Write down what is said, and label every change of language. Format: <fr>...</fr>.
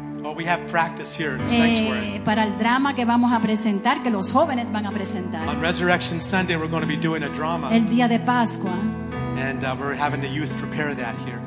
<en>Well, we have practice here in the sanctuary.</en> <es>Para el drama que vamos a presentar, que los jóvenes van a presentar.</es> <en>On Resurrection Sunday, we're going to be doing a drama.</en> <es>El día de Pascua.</es> <en>And we're having the youth prepare that here.</en>